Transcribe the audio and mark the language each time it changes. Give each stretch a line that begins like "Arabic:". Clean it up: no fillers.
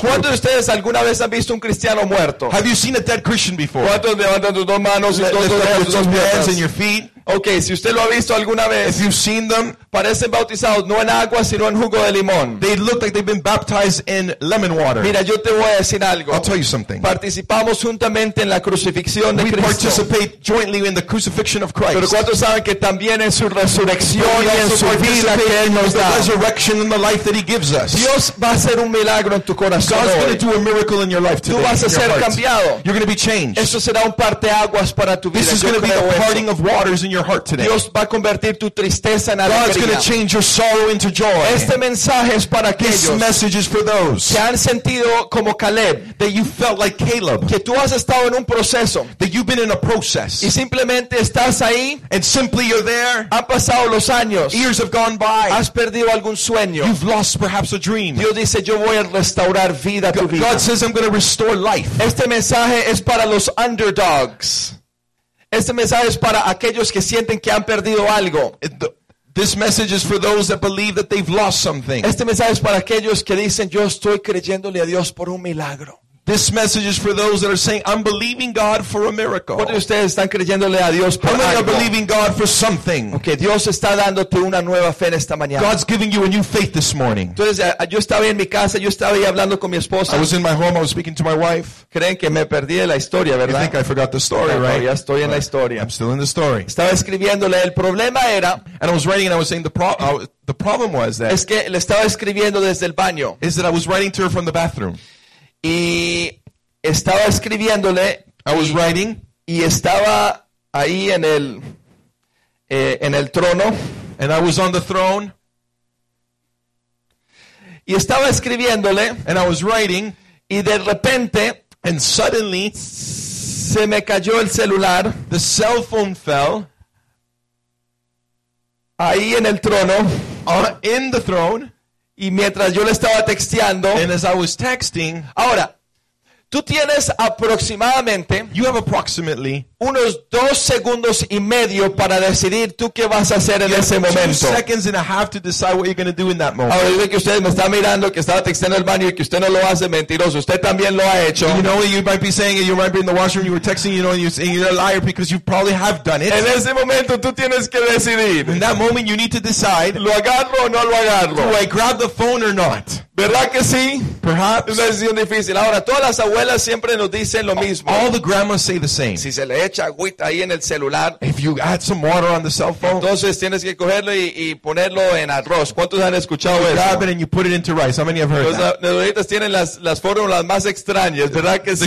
Spanish: ¿Cuántos de ustedes alguna vez han visto un cristiano muerto?
English: Have you seen a dead Christian before?
Spanish: ¿Cuántos levantan sus dos manos y dos
English: hands in your feet?
Spanish: Okay, si usted lo ha visto alguna vez,
English: if you've seen them,
Spanish: parecen bautizados no en agua sino en jugo de limón.
English: They look like they've been baptized in lemon water.
Spanish: Mira, yo te voy a decir algo.
English: I'll tell you something.
Spanish: Participamos juntamente en la crucifixión de Cristo.
English: We participate jointly in the crucifixion of Christ.
Spanish: Pero ¿cuántos saben que también en su resurrección y en su vida que él nos da?
English: The resurrection and the life that he gives us.
Spanish: Dios va a hacer un milagro en tu corazón.
English: God's going to do a miracle in your life today.
Spanish: Tú vas a ser cambiado.
English: You're going to be changed.
Spanish: Eso será un parteaguas para tu vida.
English: This is going to be the parting of waters in your heart today.
Spanish: Dios va a convertir tu tristeza en alegría.
English: God's going to change your sorrow into joy.
Spanish: Este mensaje es para aquellos.
English: This message is for those.
Spanish: Que han sentido como Caleb.
English: That you felt like Caleb.
Spanish: Que tú has estado en un proceso.
English: That you've been in a process.
Spanish: Y simplemente estás ahí.
English: And simply you're there.
Spanish: Han pasado los años.
English: Years have gone by.
Spanish: Has perdido algún sueño.
English: You've lost perhaps a dream.
Spanish: Dios dice, yo voy a restaurar vida a tu vida.
English: God says, I'm going to restore life.
Spanish: Este mensaje es para los underdogs. Este mensaje es para aquellos que sienten que han perdido algo.
English: This message is for those that believe that they've lost something.
Spanish: Este mensaje es para aquellos que dicen, yo estoy creyéndole a Dios por un milagro.
English: This message is for those that are saying, I'm believing God for a miracle.
Spanish: ¿Cuántos de ustedes están creyéndole a Dios por algo?
English: How many are believing God for something?
Spanish: Okay, Dios está dándote una nueva fe esta mañana.
English: God's giving you a new faith this morning.
Spanish: Entonces, yo estaba en mi casa, yo estaba ahí hablando con mi esposa.
English: I was in my home, I was speaking to my wife.
Spanish: ¿Creen que me perdí de la historia, verdad?
English: You think I forgot the story, right?
Spanish: Ya estoy en la historia.
English: I'm still in the story.
Spanish: Estaba escribiéndole, el problema era...
English: And I was writing and I was saying, the problem was that...
Spanish: Es que le estaba escribiendo desde el baño.
English: Is that I was writing to her from the bathroom.
Spanish: Y estaba escribiéndole,
English: I was writing,
Spanish: y estaba ahí en el trono,
English: and I was on the throne,
Spanish: y estaba escribiéndole,
English: and I was writing,
Spanish: y de repente,
English: and suddenly,
Spanish: se me cayó el celular,
English: the cell phone fell,
Spanish: ahí en el trono,
English: in the throne.
Spanish: Y mientras yo le estaba texteando,
English: and as I was texting,
Spanish: ahora, tú tienes aproximadamente,
English: you have approximately,
Spanish: unos 2 segundos y medio para decidir tú qué vas a hacer en ese momento.
English: 2 seconds and a half to decide what you're going to do in that moment.
Spanish: Ahora, yo sé que usted me está mirando, que estaba texteando el baño y que usted no lo hace, mentiroso. Usted también lo ha hecho.
English: You know, you might be saying you might be in the washroom, you were texting, you know, and you're saying you're a liar because you probably have done it.
Spanish: En ese momento, tú tienes que decidir.
English: In that moment, you need to decide.
Spanish: ¿Lo agarro o no lo agarro?
English: Do I grab the phone or not?
Spanish: ¿Verdad que sí?
English: Perhaps.
Spanish: Una decisión difícil. Ahora, todas las abuelas siempre nos dicen lo mismo.
English: All the grandmas say the same.
Spanish: Si se le echa agüita ahí en el celular.
English: If you add some water on the cell phone.
Spanish: Entonces tienes que cogerlo y ponerlo en arroz. ¿Cuántos han escuchado eso?
English: Grab it and you put it into rice. How many have heard that?
Spanish: Las abuelitas tienen las fórmulas más extrañas, ¿verdad que sí?